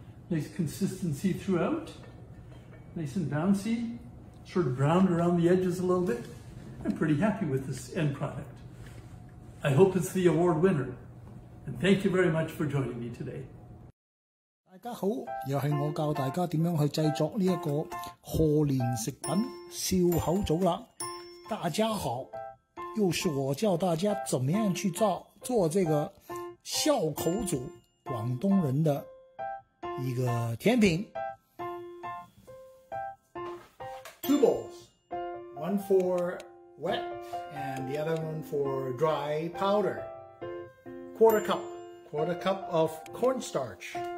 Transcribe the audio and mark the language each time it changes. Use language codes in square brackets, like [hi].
[en] nice consistency throughout. Nice and bouncy, sort of brown around the edges a little bit. I'm pretty happy with this end product. I hope it's the award winner. And thank you very much for joining me today. [zh] 大家好，又是我教大家怎样去制作这个贺年食品笑口组了。大家好，又是我教大家怎么样去做这个笑口组，广东人的一个甜品。 [en] Two bowls, one for wet and the other one for dry powder. Quarter cup of cornstarch.